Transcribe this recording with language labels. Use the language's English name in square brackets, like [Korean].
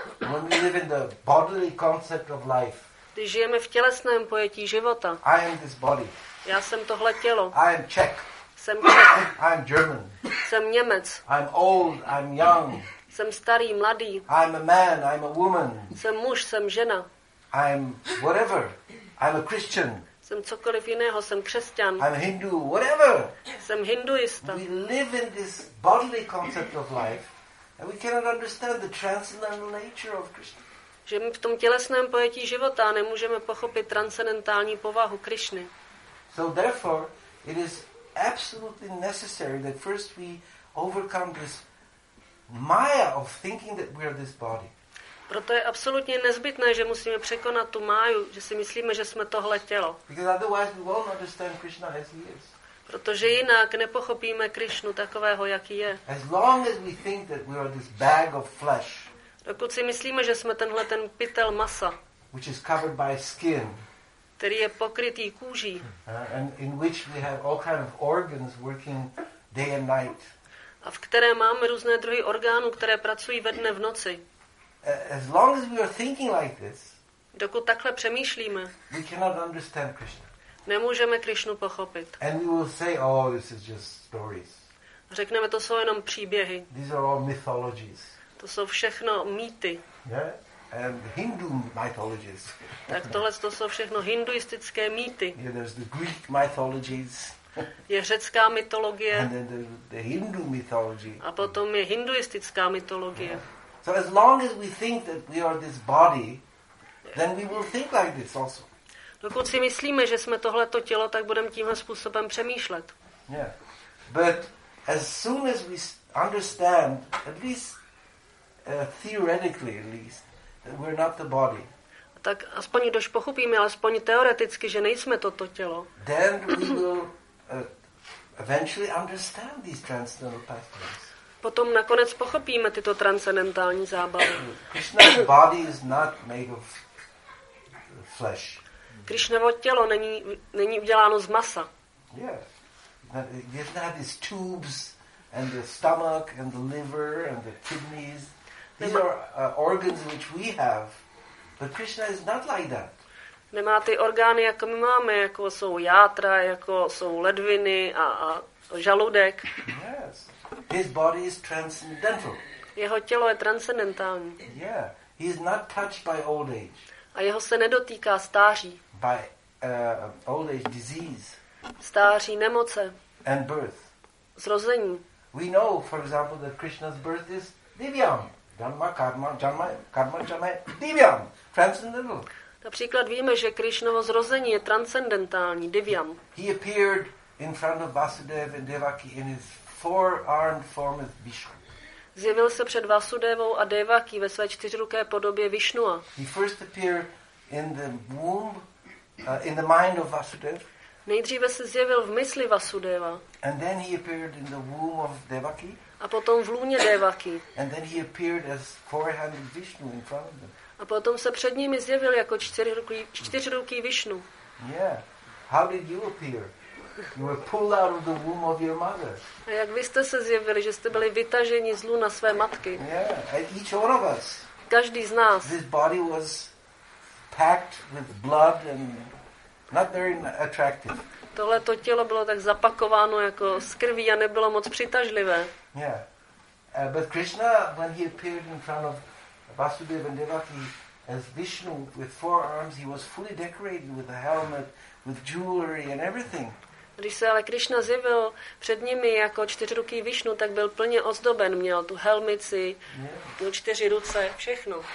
[English] When we live in the bodily concept of life. [Czech] Když žijeme v tělesném pojetí života. [English] I am this body. [Czech] Já jsem tohle tělo. [English] I am Czech. [Czech] Jsem Czech. [English] I am German. [Czech] Jsem Němec. [English] I'm old, I'm young. [Czech] Jsem starý, mladý. [English] I'm a man, I'm a woman. [Czech] Jsem muž, jsem žena. [English] I'm whatever. I'm a Christian. [Czech] Jsem cokoliv jiného, jsem křesťan. [English] I'm Hindu, whatever. [Czech] Jsem hinduista. [English] We live in this bodily concept of life. And we cannot understand the transcendental nature of Krishna. [Czech] Že my v tom tělesném pojetí života nemůžeme pochopit transcendentální povahu Krishny. [English] So therefore, it is absolutely necessary that first we overcome this Maya of thinking that we are this body. [Czech] Proto je absolutně nezbytné, že musíme překonat tu máju, že si myslíme, že jsme tohle tělo. [English] Because otherwise we won't understand Krishna as he is. [Czech] Protože jinak nepochopíme Krishnu takového, jaký je. [English] As long as we think that we are this bag of flesh. [Czech] Dokud si myslíme, že jsme tenhle ten pytel masa, [English] which is covered by skin, [Czech] který je pokrytý kůží, [English] and in which we have all kind of organs working day and night, [Czech] a v které máme různé druhy orgánů, které pracují ve dne v noci. [English] As long as we are thinking like this, [Czech] dokud takhle přemýšlíme, [English] we cannot understand Krishna. [Czech] Nemůžeme Krishnu pochopit. [English] And we will say, oh, this is just stories. [Czech] Řekneme, to jsou jenom příběhy. [English] These are all mythologies. [Czech] To jsou všechno mýty. [English] Yeah? And Hindu mythologies. [Czech] Tak tohle to jsou všechno hinduistické mýty. [English] Yeah, there's the Greek mythologies. [Czech] Je řecká mytologie. [English] And then the Hindu mythology. [Czech] A potom je hinduistická mytologie. [English] Yeah. So as long as we think that we are this body, then we will think like this also. [Czech] Dokud si myslíme, že jsme tohleto tělo, tak budeme tímhle způsobem přemýšlet. [English] Yeah. But as soon as we understand, at least theoretically at least, that we're not the body. [Czech] Tak aspoň když pochopíme, alespoň teoreticky, že nejsme toto tělo. [English] Then we will eventually understand these transcendental pastimes. [Czech] Potom nakonec pochopíme tyto transcendentální zábavy. [English] Krishna's body is not made of flesh. [Czech] Krishnovo tělo není uděláno z masa. [English] Yes. It has these tubes and the stomach and the liver and the kidneys. These are organs which we have. But Krishna is not like that. [Czech] Nemá ty orgány, jako my máme, jako jsou játra, jako jsou ledviny a žaludek. [English] Yes. His body is transcendental. [Czech] Jeho tělo je transcendentální. [English] Yeah. He is not touched by old age. [Czech] A jeho se nedotýká stáří. [English] By old age disease. [Czech] Stáří, nemoce. [English] And birth. [Czech] Zrození. [English] We know, for example, that Krishna's birth is divyam. [Sanskrit] Janma, karma, janma, karma, janma, divyam. Transcendental. [Czech] Například víme, že Krishnovo zrození je transcendentální, divyam. [English] He appeared in front of Vasudeva and Devaki in his four-armed form as Vishnu. [Czech] Zjevil se před Vasudevou a Devaki ve své čtyřruké podobě Vishnua. [English] He first appeared in the womb, in the mind of Vasudeva. [Czech] Nejdříve se zjevil v mysli Vasudeva. [English] And then he appeared in the womb of Devaki. [Czech] A potom v lůně Devaki. [English] And then he appeared as four-handed Vishnu in front of them. [Czech] A potom se před nimi zjevil jako čtyřruký Vishnu. [English] Yeah. How did you appear? You were pulled out of the womb of your mother. [Czech] A jak vy jste se zjevili, že jste byli vytaženi z lůna své matky? [English] Yeah. And each one of us. [Czech] Každý z nás. [English] This body was packed with blood and not very attractive. [Czech] Tohle to tělo bylo tak zapakováno jako z krví a nebylo moc přitažlivé. [English] Yeah. But Krishna, when he appeared in front of Vasudeva and Devaki as Vishnu with four arms, he was fully decorated with a helmet, with jewelry and everything. [Czech] Když se ale Krishna zjevil před nimi jako čtyřruký Vishnu, tak byl plně ozdoben, měl tu helmici, tu čtyři ruce, všechno.